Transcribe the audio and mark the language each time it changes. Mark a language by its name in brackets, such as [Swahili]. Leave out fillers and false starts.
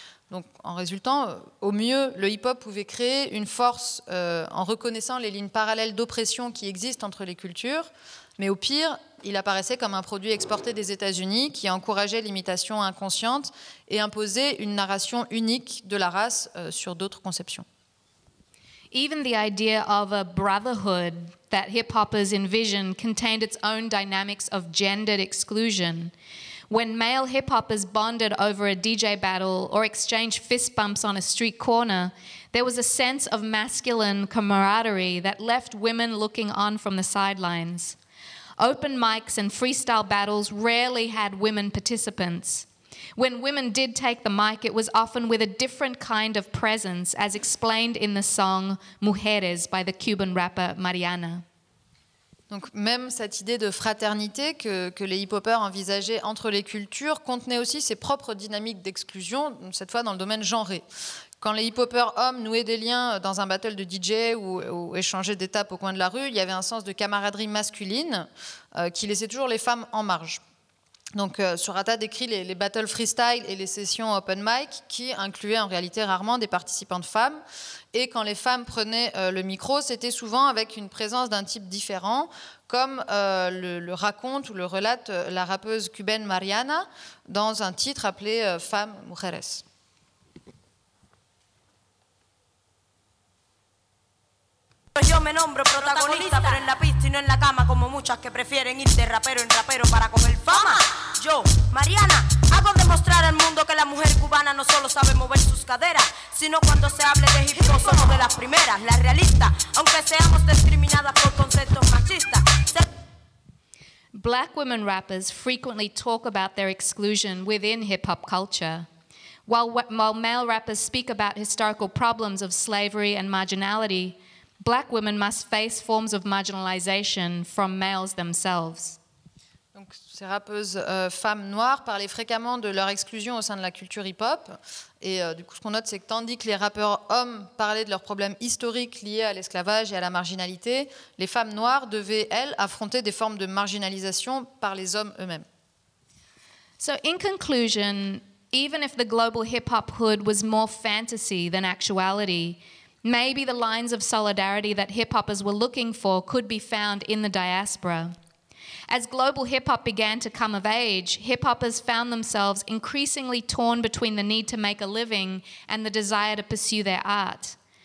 [French] Donc en résultant, au mieux, le hip-hop pouvait créer une force en reconnaissant les lignes parallèles d'oppression qui existent entre les cultures, mais au pire, il apparaissait comme un produit exporté des États-Unis qui encourageait l'imitation inconsciente et imposait une narration unique de la race sur d'autres conceptions. [English] Even the idea of a brotherhood that hip-hoppers envisioned contained its own dynamics of gendered exclusion. When male hip-hoppers bonded over a DJ battle or exchanged fist bumps on a street corner, there was a sense of masculine camaraderie that left women looking on from the sidelines. Open mics and freestyle battles rarely had women participants. When women did take the mic, it was often with a different kind of presence, as explained in the song Mujeres by the Cuban rapper Mariana. [French] Donc même cette idée de fraternité que les hip-hoppers envisageaient entre les cultures contenait aussi ses propres dynamiques d'exclusion, cette fois dans le domaine genré. Quand les hip-hoppers hommes nouaient des liens dans un battle de DJ ou échangeaient des tapes au coin de la rue, il y avait un sens de camaraderie masculine qui laissait toujours les femmes en marge. Donc Surata décrit les battles freestyle et les sessions open mic qui incluaient en réalité rarement des participantes femmes. Et quand les femmes prenaient le micro, c'était souvent avec une présence d'un type différent, comme le raconte ou le relate la rappeuse cubaine Mariana dans un titre appelé « Femmes, Mujeres ». [Spanish] Yo me nombro protagonista, pero en la pista y no en la cama, como muchas que prefieren ir de rapero en rapero para comer fama. Yo, Mariana, hago demostrar al mundo que la mujer cubana no solo sabe mover sus caderas, sino cuando se hable de hip hop somos de las primeras, las realistas, aunque seamos discriminadas por conceptos machistas. [English] Black women rappers frequently talk about their exclusion within hip hop culture. While male rappers speak about historical problems of slavery and marginality, Black women must face forms of marginalization from males themselves. [French] Donc, ces rappeuses femmes noires parlaient fréquemment de leur exclusion au sein de la culture hip-hop. Et du coup, ce qu'on note, c'est que tandis que les rappeurs hommes parlaient de leurs problèmes historiques liés à l'esclavage et à la marginalité, les femmes noires devaient, elles, affronter des formes de marginalisation par les hommes eux-mêmes. [English] So, in conclusion, even if the global hip-hop hood was more fantasy than actuality, maybe the lines of solidarity that hip-hoppers were looking for could be found in the diaspora. As global hip-hop began to come of age, hip-hoppers found themselves increasingly torn between the need to make a living and the desire to pursue their art.